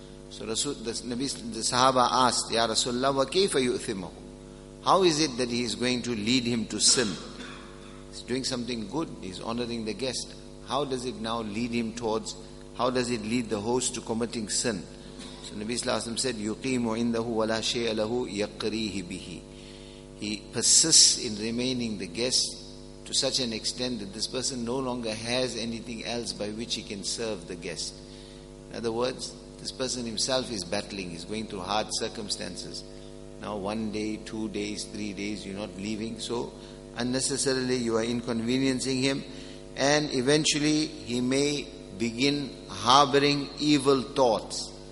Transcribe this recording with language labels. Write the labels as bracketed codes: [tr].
[en] So the Sahaba asked, Ya Rasulullah, [ar] wa kayfa yu'thimahu? [en] How is it that he is going to lead him to sin? He's doing something good, he's honoring the guest. How does it now lead him towards, how does it lead the host to committing sin? So Nabi Sallallahu Alaihi Wasallam said, [ar] يُقِيمُ عِنْدَهُ وَلَا شَيْءَ لَهُ يَقْرِيهِ بِهِ. [en] He persists in remaining the guest to such an extent that this person no longer has anything else by which he can serve the guest. In other words, this person himself is battling, he's going through hard circumstances. Now 1 day, 2 days, 3 days, you're not leaving. So unnecessarily you are inconveniencing him, and eventually he may begin harboring evil thoughts.